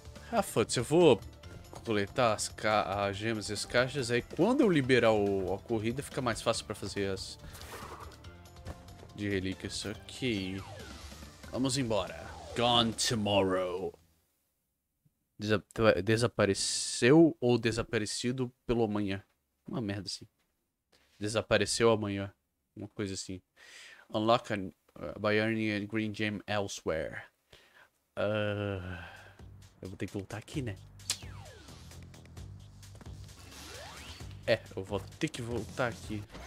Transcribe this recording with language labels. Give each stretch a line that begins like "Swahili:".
Portuguese: Ah, foda-se, eu vou... coletar as gemas e as caixas, aí quando eu liberar a corrida fica mais fácil pra fazer as de relíquias. Ok, vamos embora. Gone Tomorrow. Desapareceu ou desaparecido pelo amanhã? Uma merda assim. Desapareceu amanhã. Uma coisa assim.
English: Unlock by earning a green gem elsewhere.
Portuguese: Eu vou ter que voltar aqui, né? É, eu vou ter que voltar aqui.